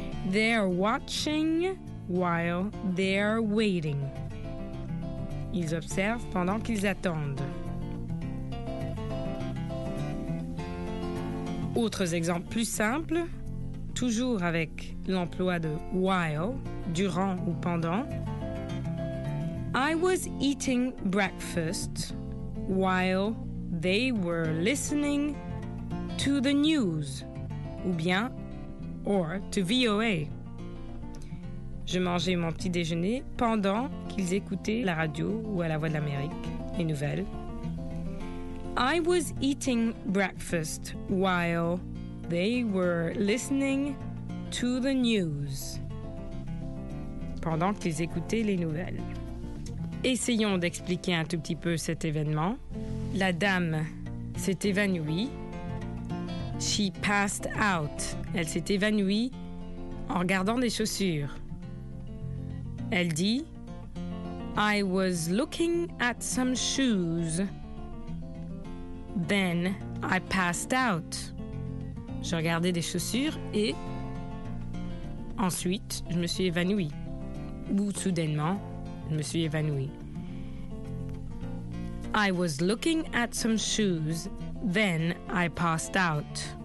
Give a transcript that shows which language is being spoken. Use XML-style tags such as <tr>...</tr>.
<en>They're watching while they're waiting.</en> <fr>Ils observent pendant qu'ils attendent. Autres exemples plus simples, toujours avec l'emploi de while, durant ou pendant.</fr> <en>I was eating breakfast while they were listening to the news,</en> <fr>ou bien,</fr> <en>or to VOA.</en> <fr>Je mangeais mon petit déjeuner pendant qu'ils écoutaient la radio ou à la Voix de l'Amérique, les nouvelles.</fr> <en>I was eating breakfast while they were listening to the news.</en> <fr>Pendant qu'ils écoutaient les nouvelles. Essayons d'expliquer un tout petit peu cet événement. La dame s'est évanouie.</fr> <en>She passed out.</en> <fr>Elle s'est évanouie en regardant des chaussures. Elle dit,</fr> <en>I was looking at some shoes. Then I passed out.</en> <fr>Je regardais des chaussures et ensuite je me suis évanouie. Ou soudainement, je me suis évanouie.</fr> <en>I was looking at some shoes, then I passed out.</en>